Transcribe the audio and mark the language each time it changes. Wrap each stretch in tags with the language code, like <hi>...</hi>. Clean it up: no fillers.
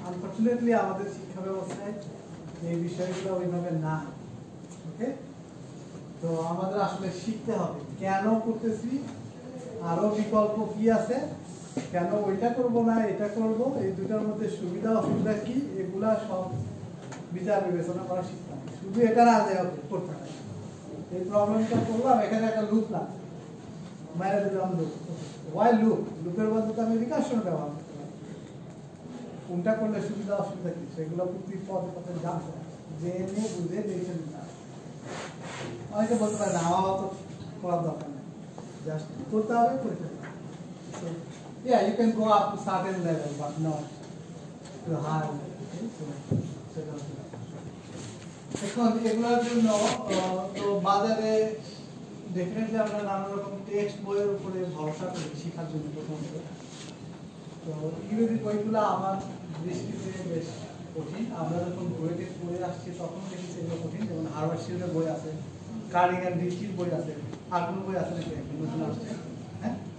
<bn>Unfortunately আমাদের শিক্ষা ব্যবস্থায় এই বিষয়গুলো ওইভাবে না, ওকে, তো আমাদের আসলে শিখতে হবে কেন করতেছি, আরও বিকল্প কি আছে, কেন ওইটা করবো না এটা করবো, এই দুটার মধ্যে সুবিধা অসুবিধা কি, এগুলা সব বিচার বিবেচনা করা শিখতাম, শুধু এটা না যে করতে হবে এই প্রবলেমটা করলাম, এখানে একটা লুপ না মেরে দিলাম লুপ, ওয়াই লুপ, লুপের মধ্যে তো আমি রিকার্সন ব্যবহার করতে পারি, কোনটা করলে সুবিধা অসুবিধা কি সেগুলো প্রতি পথে পথে জানতে জেনে বুঝে দেখে নিতে হবে। অনেকে বলতে পারে না আমার তো করার দরকার নেই, জাস্ট করতে হবে করে ফেলতে হবে,</bn> <en>yeah you can go up to certain level but not to higher level, okay, so that's it.</en> <bn>এখন এগুলোর জন্য তো বাজারে ডেফিনেটলি আমরা নানা রকম টেক্সট বইয়ের উপরে ভরসা করি শেখার জন্য, প্রথম তো ইংরেজি বইগুলো আমার দৃষ্টিতে বেশ কঠিন, আমরা যখন বইতে পড়ে আসছি তখন দেখি সেগুলো কঠিন, যেমন হার্ভার্সিয়ালের বই আছে, কার্লিং অ্যান্ড ডিচির বই আছে, আর কোনো বই আছে নাকি এখন নতুন আসছে, হ্যাঁ</bn>